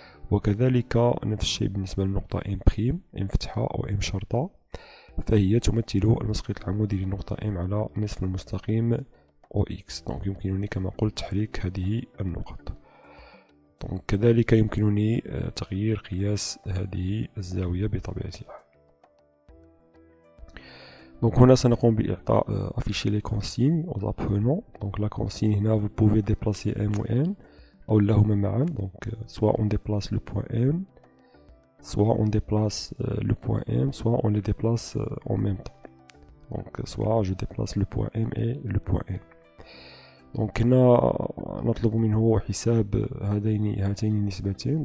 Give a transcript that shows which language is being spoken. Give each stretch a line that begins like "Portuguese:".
Arabic: وكذلك نفس الشيء بالنسبة للنقطة M بريم، M فتحة أو M شرطة، فهي تمثل المسقط العمودي للنقطة M على نصف المستقيم OX. دونك يمكنني كما قلت تحريك هذه النقط. دونك كذلك يمكنني تغيير قياس هذه الزاوية بطبيعة الحال.
French: Donc
Arabic: هنا سنقوم بإعطاء
French: afficher les consignes aux apprenants. Donc la consigne هنا vous pouvez déplacer M ou N
Arabic: أو لهما معا.
French: Donc soit on déplace le point M, soit on déplace le point M, soit on les déplace en même temps. Donc soit je déplace le point M et le point N.
Arabic: Donc هنا نطلب منه حساب هاتين النسبتين.